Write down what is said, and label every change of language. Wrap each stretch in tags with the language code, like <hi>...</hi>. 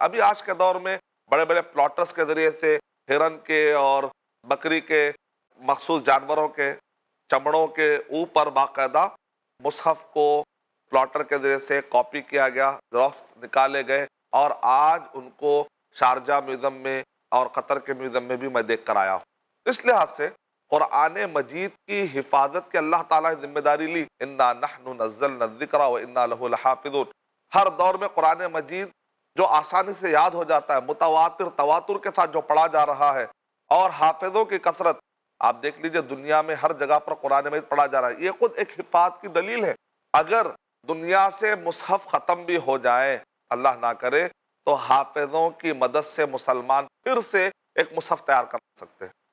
<ur>ابھی آج کے دور میں بڑے بڑے پلاٹرز کے ذریعے سے ہرن کے اور بکری کے مخصوص جانوروں کے چمڑوں کے اوپر باقاعدہ مصحف کو پلاٹر کے ذریعے سے کاپی کیا گیا, زیروکس نکالے گئے, اور آج ان کو شارجہ میوزیم میں اور قطر کے میوزیم میں بھی میں دیکھ کر آیا ہوں. اس لحاظ سے قرآن مجید کی حفاظت کے اللہ تعالیٰ نے ذمہ داری لی.</ur> <ar>انا نحن نزلنا الذکر وانا له لحافظون.</ar> <ur>ہر دور میں قرآن مجید جو آسانی سے یاد ہو جاتا ہے, متواتر تواتر کے ساتھ جو پڑھا جا رہا ہے, اور حافظوں کی کثرت, آپ دیکھ لیجئے دنیا میں ہر جگہ پر قرآن مجید پڑھا جا رہا ہے, یہ خود ایک حفاظت کی دلیل ہے. اگر دنیا سے مصحف ختم بھی ہو جائے, اللہ نہ کرے, تو حافظوں کی مدد سے مسلمان پھر سے ایک مصحف تیار کر سکتے ہیں.</ur>